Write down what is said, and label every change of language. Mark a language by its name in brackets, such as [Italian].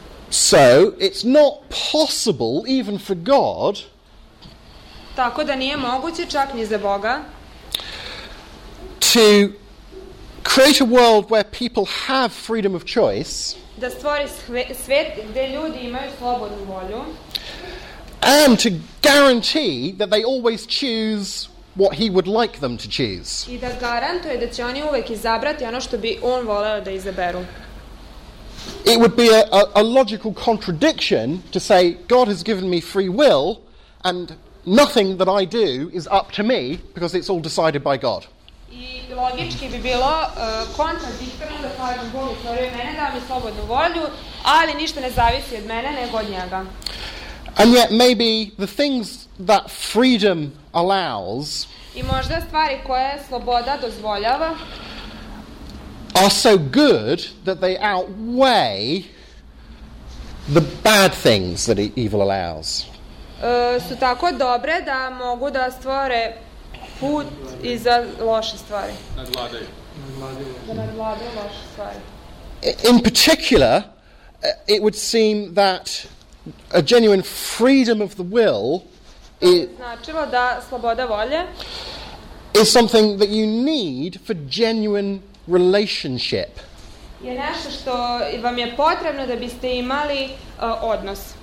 [English] So it's not possible even for God. [Serbian] Tako da nije moguće čak ni za Boga. [English] To create a world where people have freedom of choice. [Serbian] Da stvori svet gde ljudi imaju slobodnu volju. [English] And to guarantee that they always choose what he would like them to choose. [Serbian] I da garantuje da će oni uvek izabrati ono što bi on voleo da izaberu. [English] It would be a logical contradiction to say God has given me free will and nothing that I do is up to me because it's all decided by God. [Serbian] I logički bi bilo kontradiktorno da kažem Bogu stvorio mene, da mi slobodnu volju, ali ništa ne zavisi od mene nego od njega. [English] And yet maybe the things that freedom allows, [Serbian] i možda stvari koje sloboda dozvoljava, [English] are so good that they outweigh the bad things that evil allows. [Serbian] Su tako dobre da mogu da stvore put i za loše stvari. Nadvladaju loše stvari. [English] In particular, it would seem that a genuine freedom of the will [Serbian] značilo da sloboda volje [English] is something that you need for genuine relationship. [Serbian] Je nešto što vam je potrebno da biste imali odnos.